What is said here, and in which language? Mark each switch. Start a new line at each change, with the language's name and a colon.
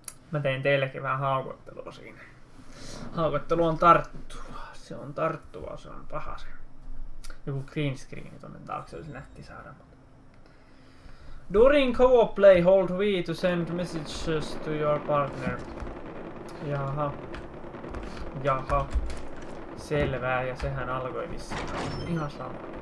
Finnish: Mä tein teillekin vähän haukottelua siinä. Haukottelu on tarttuva. Se on tarttuva, se on paha se. Joku green screen tuonne taakse olisi nätti saada.
English: During co-op play, hold V to send messages to your partner.
Finnish: Jaha. Jaha. Selvää, ja sehän alkoi vissiin. Ihan sama.